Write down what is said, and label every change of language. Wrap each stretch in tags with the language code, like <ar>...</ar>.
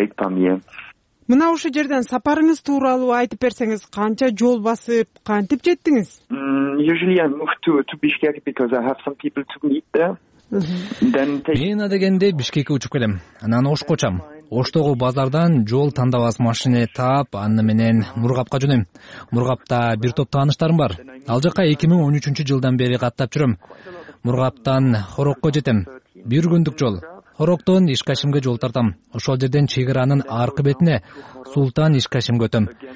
<ky>Мына ушул жерден сапарыңыз тууралуу айтып берсеңиз, канча жол басып, кантип жеттиңиз?</ky> <en>Usually I moved to Bishkek because I have some people to meet there.</en> <ky>Мен адегенде Бишкекке учуп келем. Анан Ош кочам. Оштогу базардан жол тандап алып машине таап, аны менен Мургапка жөнөйм. Мургапта бир топ тааныштарым бар. Ал жакка 2013 жылдан бери каттап жүрөм. Мургаптан Хорокко жетем. Бир күндүк жол. Роктон Ишкашимге жол тартам. Ошол жерден чегеранын аркы бетине Султан Ишкашимге өтөм.</ky>